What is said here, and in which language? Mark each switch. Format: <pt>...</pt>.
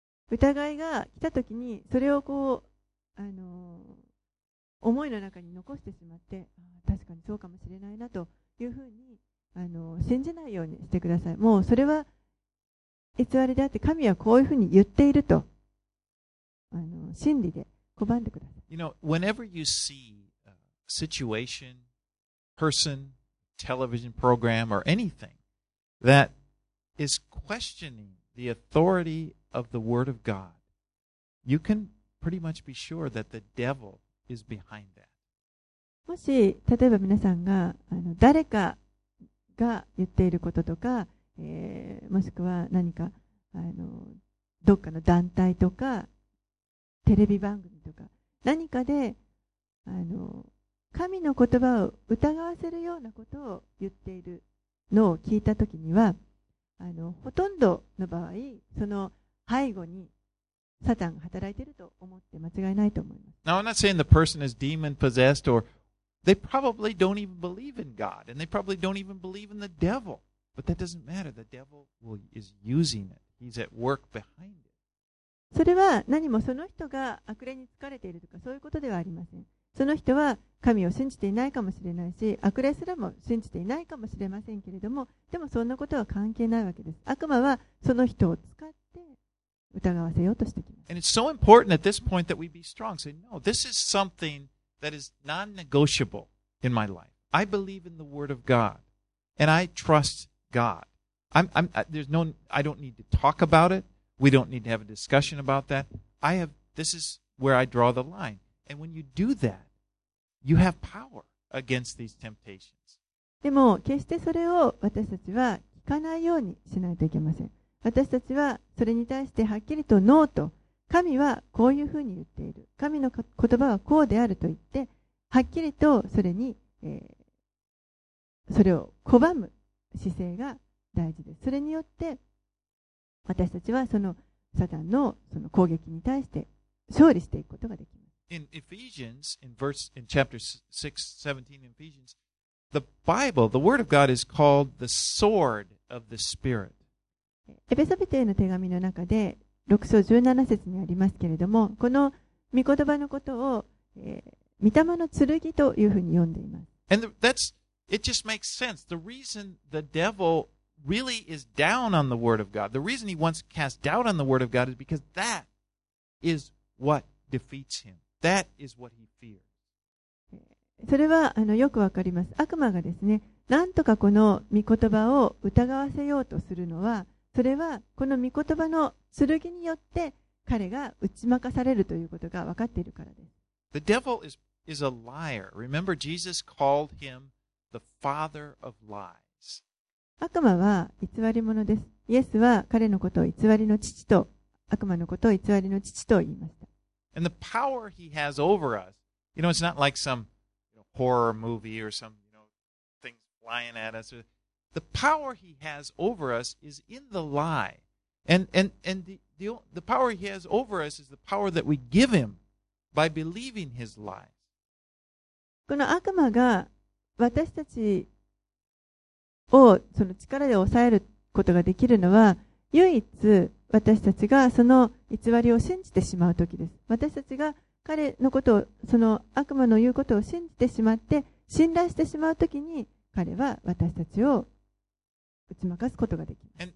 <ja>疑いが来た時にそれをこう思いの中に残してしまって、確かにそうかもしれないなというふうに信じないようにしてください。もうそれは偽りであって、神はこういうふうに言っていると真理で拒んでください。</ja> <en>You know, whenever you see a situation, person, television program or anything thatis questioning the authority of the word of God, you can pretty much be sure that the devil is behind that.</en> <ja>もし例えば皆さんが誰かが言っていることとか、もしくは何かどっかの団体とかテレビ番組とか何かで神の言葉を疑わせるようなことを言っているのを聞いたときには、ほとんどの場合その背後にサタンが働いていると思って間違いないと思います。</ja> <en>Now, I'm not saying the person is demon possessed or they probably don't even believe in God and they probably don't even believe in the devil. But that doesn't matter. The devil is using it. He's at work behind it.</en> <ja>それは何もその人が悪霊に疲れているとかそういうことではありません。その人は神を信じていないかもしれないし、悪霊すらも信じていないかもしれませんけれども、でもそんなことは関係ないわけです。悪魔はその人を使って疑わせようとしてきます。</ja> <en>And it's so important at this point that we be strong. Say, no, this is something that is non-negotiable in my life. I believe in the word of God. And I trust God. I don't need to talk about it. We don't need to have a discussion about that. This is where I draw the line. And when you do that,You have power against these temptations.</en> <ja>でも決してそれを私たちは聞かないようにしないといけません。私たちはそれに対してはっきりとノーと、神はこういうふうに言っている。神の言葉はこうであると言って、はっきりとそれに、それを拒む姿勢が大事です。それによって私たちはそのサタン その攻撃に対して勝利していくことができます。</ja> <en>In Ephesians, in chapter 6:17 in Ephesians, the Bible, the Word of God is called the sword of the Spirit.</en> <ja>エペソ人への手紙の中で6章17節にありますけれども、この御言葉のことを、御霊の剣というふうに呼んでいます。</ja> <en>And it just makes sense. The reason the devil really is down on the Word of God, the reason he wants to cast doubt on the Word of God is because that is what defeats him. That is what he fears.</en> <ja>それはよくわかります。悪魔がですね、なんとかこの御言葉を疑わせようとするのは、それはこの御言葉の剣によって彼が打ち負かされるということがわかっているからです。</ja> <en>The devil is a liar. Remember, Jesus called him the father of lies.</en> <ja>悪魔は偽り者です。イエスは彼のことを偽りの父と、悪魔のことを偽りの父と言いました。</ja> <en>And the power he has over us, you know, it's not like some horror movie or some, things flying at us. The power he has over us is in the lie. And the power he has over us is the power that we give him by believing his lies.</en> <ja>この悪魔が私たちをその力で抑えることができるのは唯一私たちがその偽りを信じてしまうときです。私たちが彼のことを、その悪魔の言うことを信じてしまって、信頼してしまうときに、彼は私たちを打ち負かすことができます。</ja>